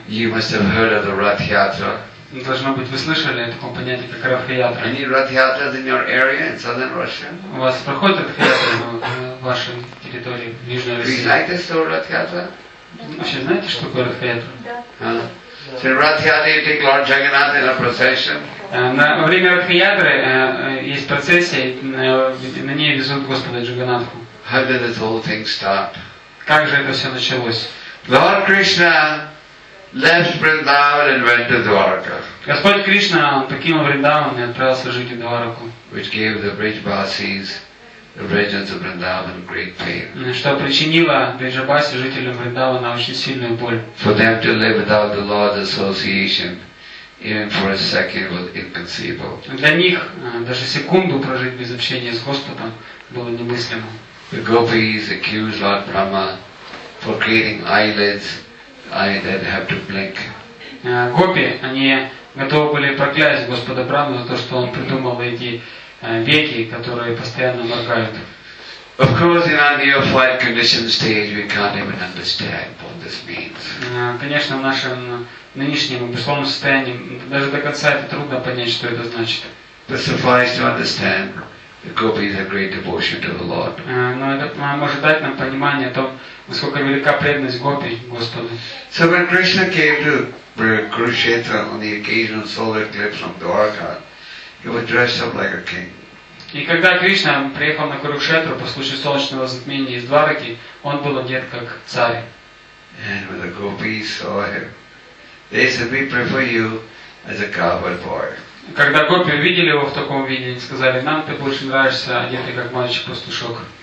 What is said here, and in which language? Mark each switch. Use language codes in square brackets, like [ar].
[en] You must have heard of the Rath Yatra. [ru] Должно быть, вы слышали о таком понятии, как рафхиатра. [en] Any rafhiatras in your area in southern Russia? [ru] У вас проходят рафхиатры на вашей территории в Южной России? [en] Do you like this story, rafhiatra? [ru] Вообще, знаете, что такое рафхиатра? [en] So rafhiatra, you take Lord Jagannath in a procession. [ru] Во время рафхиатры есть процессия, на ней везут Господа Джаганатху. [en] How did this whole thing start? [ru] Как же это все началось? [en] Lord Krishna left Vrindavan and went to Dwarka. [ru] Господь Кришна покинул Вриндаван и отправился жить в Двараку. [en] Which gave the Vrijbasis, the residents of Vrindavan, great pain. [ru] Что причинило Вриджабаси, жителям Вриндавана, очень сильную боль. [en] For them to live without the Lord's association, even for a second, was inconceivable. [ru] Для них даже секунду прожить без общения с Господом было немыслимо. [en] The gopis accused Lord Brahma for creating eyelids. I then have to blink. [ru] Гопи, они готовы были проклясть Господа Брахму за то, что он придумал эти веки, которые постоянно моргают. [en] Of course, in our neophyte condition stage, we can't even understand what this means. [ru] Конечно, в нашем нынешнем обусловленном состоянии даже до конца это трудно понять, что это значит. [en] But suffice to understand, the gopis have great devotion to the Lord. [ru] Но это может дать нам понимание о том, насколько велика преданность гопи Господу. [en] So when Krishna came to Kurukshetra on the occasion of solar eclipse from Dwarka, he was dressed up like a king. [ru] И когда Кришна приехал на Курукшетру по случаю солнечного затмения из Двараки, он был одет как царь. [en] And when the gopis saw him, they said, "We prefer you as a cowherd boy." [ru] Когда гопи увидели его в таком виде, они сказали, нам ты больше нравишься, одетый как мальчик-пастушок.